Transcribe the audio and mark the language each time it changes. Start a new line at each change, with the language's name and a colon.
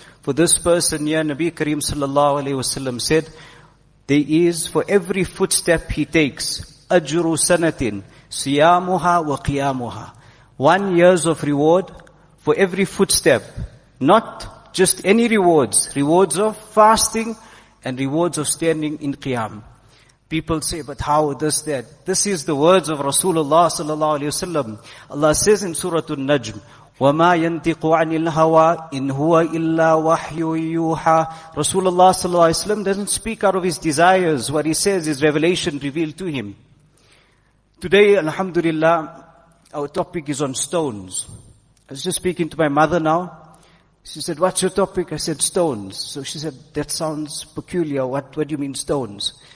English: For this person, yeah, Nabi Kareem sallallahu alayhi wasallam said, there is for every footstep he takes,
Arabic: أَجْرُ سَنَةٍ سِيَامُهَا وَقِيَامُهَا,
English: 1 year of reward for every footstep. Not just any rewards, rewards of fasting and rewards of standing in Qiyam. People say, but how does that? This is the words of Rasulullah sallallahu alayhi wa sallam. Allah says in Surah An-Najm,
Arabic: وَمَا يَنْتِقُ عَنِ الْهَوَىٰ إِنْ هُوَ إِلَّا وَحْيُّ يُوحَىٰ.
English: Rasulullah sallallahu alayhi wa sallam doesn't speak out of his desires. What he says is revelation revealed to him. Today, alhamdulillah, our topic is on stones. I was just speaking to my mother now. She said, what's your topic? I said, stones. So she said, that sounds peculiar. What do you mean, stones?